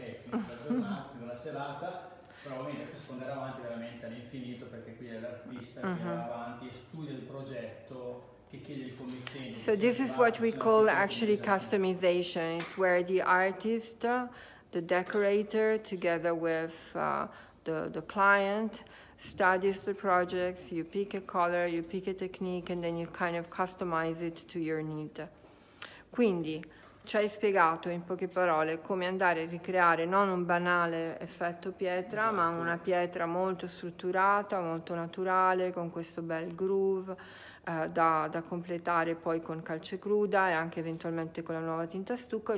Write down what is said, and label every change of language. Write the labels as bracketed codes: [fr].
[it] Però ovviamente sponderà avanti veramente all'infinito, perché qui è l'artista che va avanti e studia il progetto. [en] So this is what we call actually customization. It's where the artist, the decorator, together with the client, studies the projects. You pick a color, you pick a technique, and then you kind of customize it to your need. [it] Quindi ci hai spiegato in poche parole come andare a ricreare non un banale effetto pietra, esatto, ma una pietra molto strutturata, molto naturale, con questo bel groove. Da completare poi con calce cruda e anche eventualmente con la nuova tinta stucco.